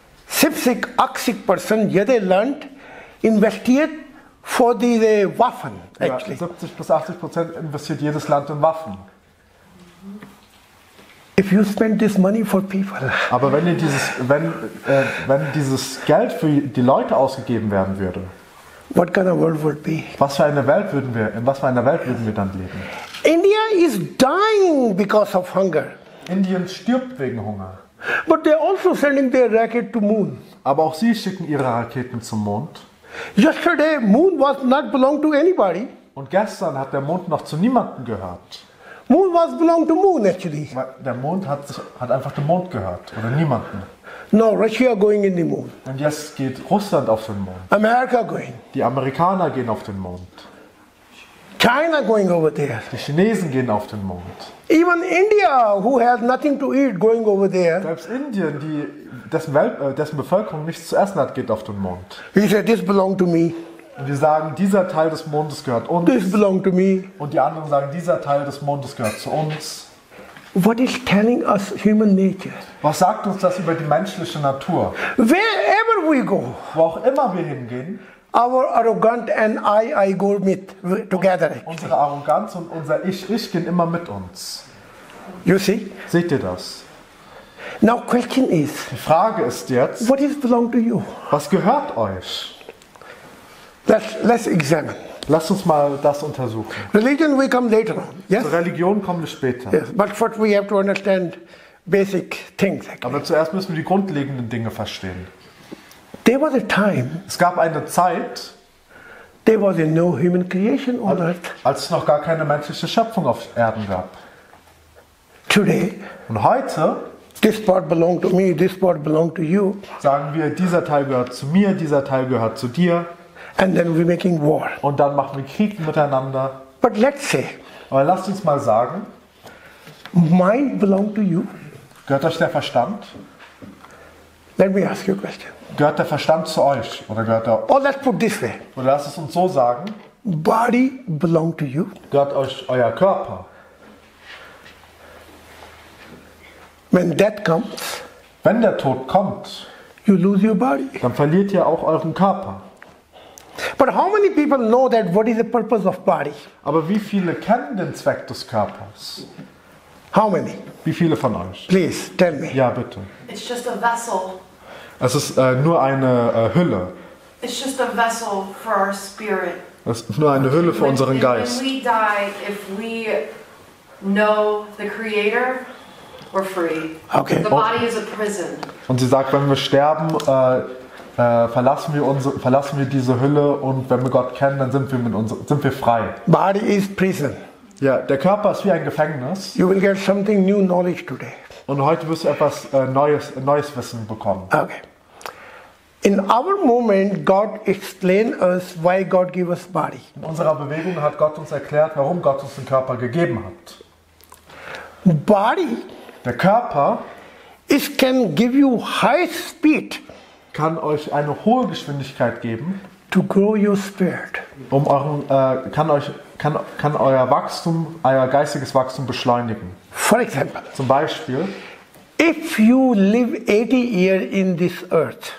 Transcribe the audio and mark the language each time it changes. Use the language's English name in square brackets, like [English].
[German] 70-80% jede Land investiert für diese Waffen. [English] Actually. [German] Ja, 70-80% investiert jedes Land in Waffen. [English] If you spend this money for people. [German] Aber wenn ihr dieses, wenn dieses Geld für die Leute ausgegeben werden würde. [English] What kind of world would be? [German] Was für eine Welt würden wir, in was für einer Welt würden wir dann leben? [English] India is dying because of hunger. [German] Indien stirbt wegen Hunger. [English] But they're also sending their rocket to moon. [German] Aber auch sie schicken ihre Raketen zum Mond. [English] Yesterday moon was not belong to anybody. [German] Und gestern hat der Mond noch zu niemandem gehört. [English] Moon was belong to moon actually. [German] Der Mond hat einfach dem Mond gehört oder niemanden. [English] No, Russia going in the moon. [German] Und jetzt geht Russland auf den Mond. [English] America going. [German] Die Amerikaner gehen auf den Mond. [English] China going over there. [German] Die Chinesen gehen auf den Mond. [English] Even India, who has nothing to eat, going over there. [German] Selbst Indien, dessen Bevölkerung nichts zu essen hat, geht auf den Mond. [English] He said, this belong to me. [German] Und wir sagen, dieser Teil des Mondes gehört uns. [English] This belong to me. [German] Und die anderen sagen, dieser Teil des Mondes gehört zu uns. [English] What is telling us human nature? [German] Was sagt uns das über die menschliche Natur? [English] Wherever we go. [German] Wo auch immer wir hingehen. [English] Our arrogant and I go with together. [German] Unsere Arroganz und unser Ich gehen immer mit uns. [English] You see? [German] Seht ihr das? [English] Now question is. [German] Die Frage ist jetzt. [English] What is belong to you? [German] Was gehört euch? [English] Let's examine. [German] Lass uns mal das untersuchen. [English] Religion we come later. Yes? [German] Zur Religion kommen wir später. [English] Yes, but first we have to understand basic things. Actually. [German] Aber zuerst müssen wir die grundlegenden Dinge verstehen. [English] There was a time. [German] Es gab eine Zeit. [English] There was no human creation on earth. [German] Als es noch gar keine menschliche Schöpfung auf Erden gab. [English] Today. [German] Und heute. [English] This part belongs to me. This part belongs to you. [German] Sagen wir, dieser Teil gehört zu mir. Dieser Teil gehört zu dir. [English] And then we're making war. [German] Und dann machen wir Krieg miteinander. [English] But let's say. [German] Aber lasst uns mal sagen. [English] Mind belongs to you. [German] Gehört euch der Verstand? [English] Let me ask you a question. [German] Gehört der Verstand zu euch oder gehört er? [English] Oh, let's put this way. [German] Oder lasst es uns so sagen. [English] Body belong to you. [German] Gehört euch euer Körper. [English] When death comes, [German] wenn der Tod kommt, [English] you lose your body. [German] Dann verliert ihr auch euren Körper. [English] But how many people know that what is the purpose of body? [German] Aber wie viele kennen den Zweck des Körpers? [English] How many? [German] Wie viele von euch? [English] Please tell me. [German] Ja, bitte. [English] It's just a vessel. [German] Es ist nur eine Hülle. [English] It's just a vessel for our spirit. [German] Es ist nur eine Hülle für unseren Geist. [English] When we die, if we know the Creator, we're free. Okay. The body is a prison. [German] Und sie sagt, wenn wir sterben, verlassen wir diese Hülle und wenn wir Gott kennen, dann sind wir frei. [English] Body is prison. [German] Ja, der Körper ist wie ein Gefängnis. [English] You will get something new knowledge today. [German] Und heute wirst du etwas neues Wissen bekommen. [English] Okay. In our movement, God explained us why God gave us body. [German] In unserer Bewegung hat Gott uns erklärt, warum Gott uns den Körper gegeben hat. [English] Body, [German] der Körper, [English] it can give you high speed, [German] kann euch eine hohe Geschwindigkeit geben, [English] to grow your spirit, [German] um euren kann euer Wachstum, euer geistiges Wachstum beschleunigen. [English] For example, [German] zum Beispiel, [English] if you live 80 years in this earth,